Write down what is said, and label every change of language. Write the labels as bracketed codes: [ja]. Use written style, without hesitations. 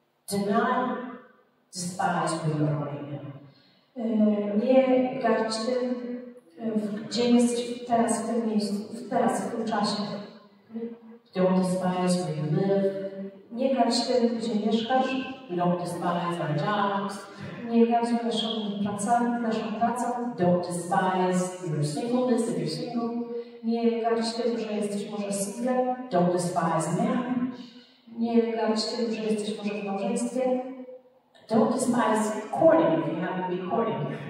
[en] Do not despise where you are right now. [pl] Nie gardź tym, gdzie jesteś teraz w tym miejscu, teraz w tym czasie. [en] Don't despise where you live. [pl] Nie gardź tym, gdzie mieszkasz. [en] Don't despise our jobs. [pl] Nie gardź naszą pracą. [en] Don't despise your singleness if you're single. [pl] Nie gardź tym, że jesteś może single. [en] Don't despise marriage. [pl] Nie gardź tym, że jesteś może w małżeństwie. [en] Don't despise courting if you have to be courting.